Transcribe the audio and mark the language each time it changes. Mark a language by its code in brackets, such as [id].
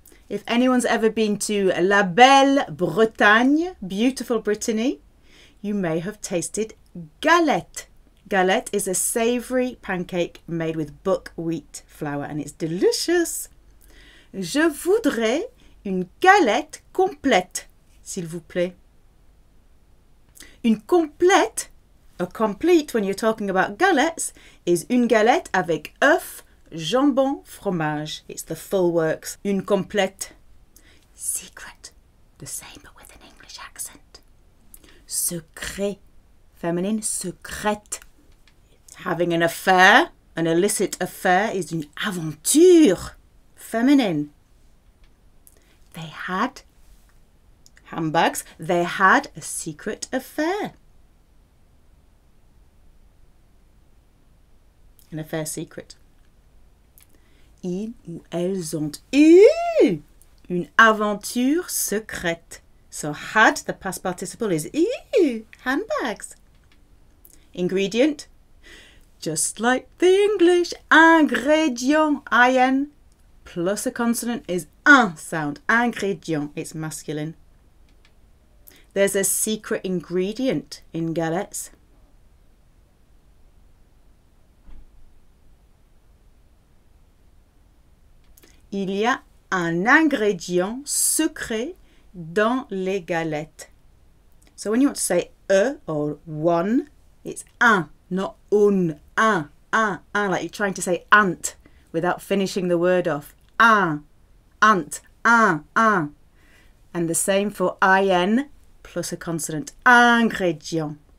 [en] If anyone's ever been to La Belle Bretagne, beautiful Brittany, you may have tasted galette. Galette is a savoury pancake made with buckwheat flour and it's delicious. [fr] Je voudrais une galette complète, s'il vous plaît. Une complète, [en] a complete when you're talking about galettes, is [fr] une galette avec œuf, jambon, fromage. [en] It's the full works. [fr] Une complète. [en] Secret, the same but with an English accent. Secret, feminine, secrète. Having an affair, an illicit affair, is [fr] une aventure, [en] feminine. They had handbags. They had a secret affair. an affair secret. [fr] Ils ou elles ont eu une aventure secrète. [en] So had, the past participle is eu, handbags. Ingredient, just like the English, ingrédient, I-N, plus a consonant is un sound, ingrédient, it's masculine. There's a secret ingredient in galettes. [fr] Il y a un ingrédient secret dans les galettes. [en] So when you want to say a or one, it's un, not un. Un, like you're trying to say ant without finishing the word off. Un, ant, un. And the same for IN plus a consonant, ingrédient.